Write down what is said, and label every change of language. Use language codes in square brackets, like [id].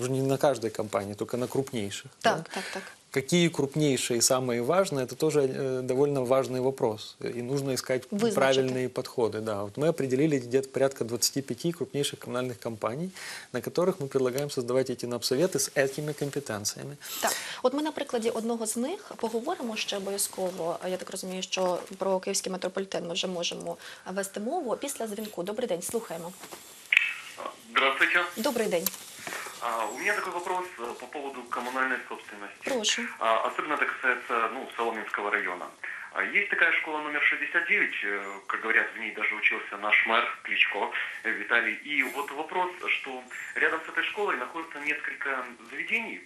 [ru] Уже не на каждой компании, только на крупнейших. Так. Какие крупнейшие и самые важные, это тоже довольно важный вопрос. И нужно искать правильные подходы. Да, вот мы определили где-то порядка 25 крупнейших коммунальных компаний, на которых мы предлагаем создавать эти НАП-советы с этими компетенциями. [uk] Так, от ми на прикладі одного з них поговоримо ще обов'язково. Я так розумію, що про Київський метрополітен ми вже можемо вести мову після дзвінку. Добрий день, слухаємо. [ru] Здравствуйте. [uk] Добрий день. [ru] У меня такой вопрос по поводу коммунальной собственности. [uk] Прошу. [ru] Особенно это касается, ну, Соломенского района. Есть такая школа номер 69, как говорят, в ней даже учился наш мэр Кличко Виталий. И вот вопрос, что рядом с этой школой находится несколько заведений.